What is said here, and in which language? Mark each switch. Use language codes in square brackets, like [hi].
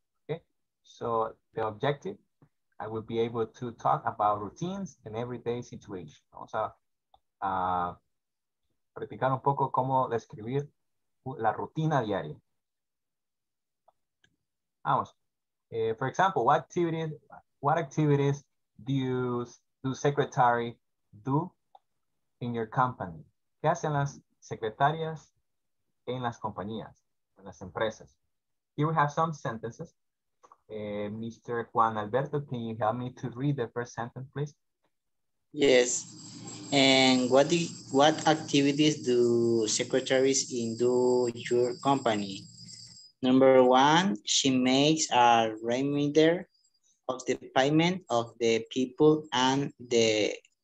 [en] Okay, so the objective, I will be able to talk about routines and everyday situations. [es] Vamos a practicar un poco cómo describir la rutina diaria. Vamos. [en] For example, what activities do secretary do in your company? [es] ¿Qué hacen las secretarias en las compañías, en las empresas? [en] Here we have some sentences. Mr. Juan Alberto, can you help me to read the first sentence, please? Yes. And what activities do secretaries in do your company? Number one, she makes a reminder of the payment of the people and the